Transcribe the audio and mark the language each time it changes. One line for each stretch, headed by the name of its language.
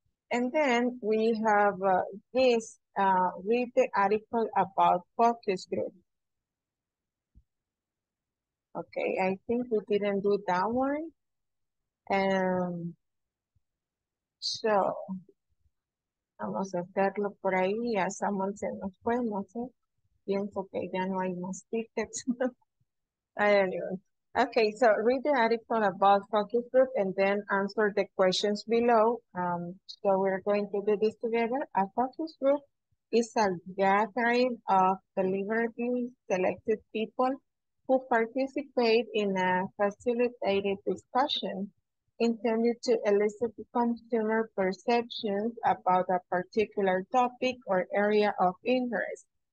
English: And then we have this, read the article about focus group. Okay, I think we didn't do that one.
Spanish: So, vamos a hacerlo por ahí, ya Samuel se nos fue, no sé, pienso que ya no hay más tickets.
English: Anyway. Okay, so read the article about focus group and then answer the questions below. So we're going to do this together. A focus group is a gathering of deliberately selected people who participate in a facilitated discussion intended to elicit consumer perceptions about a particular topic or area of interest.